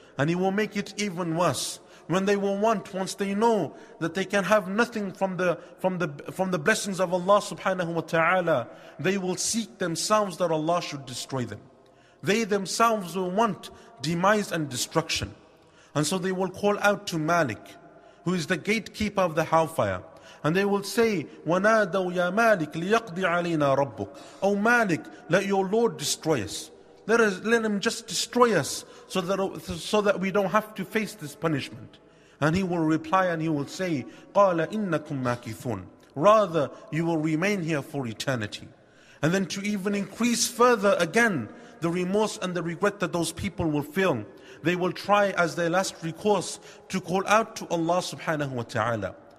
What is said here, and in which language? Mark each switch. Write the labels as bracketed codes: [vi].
[en] And He will make it even worse when they will want, once they know that they can have nothing from the blessings of Allah subhanahu wa ta'ala, they will seek themselves that Allah should destroy them. They themselves will want demise and destruction. And so they will call out to Malik, who is the gatekeeper of the hellfire, And they will say, [ar] وَنَادَوْ يَا مَالِكَ لِيَقْضِ عَلَيْنَا رَبُّكَ. [en] O Malik, let your Lord destroy us. Let him just destroy us so that we don't have to face this punishment. And he will reply and he will say, [ar] قَالَ إِنَّكُمْ مَاكِثُونَ. [en] Rather, you will remain here for eternity. And then to even increase further again, the remorse and the regret that those people will feel, they will try as their last recourse to call out to Allah subhanahu wa ta'ala.